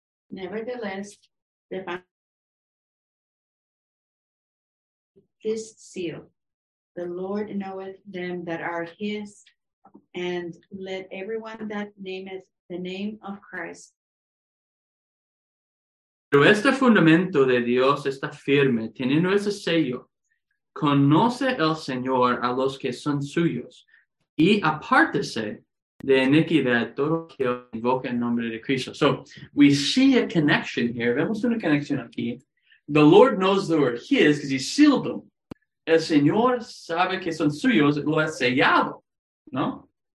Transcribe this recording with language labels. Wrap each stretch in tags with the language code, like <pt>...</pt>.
<en>Nevertheless, the this seal, the Lord knoweth them that are his, and let everyone that nameth the name of Christ.</en> <es>Pero este fundamento de Dios está firme, teniendo ese sello. Conoce el Señor a los que son suyos y apártese de iniquidad todo que invoca el nombre de Cristo.</es> <en>So we see a connection here.</en> <es>Vemos una conexión aquí.</es> <en>The Lord knows they are his because he sealed them.</en> <es>El Señor sabe que son suyos, lo ha sellado, ¿no?</es>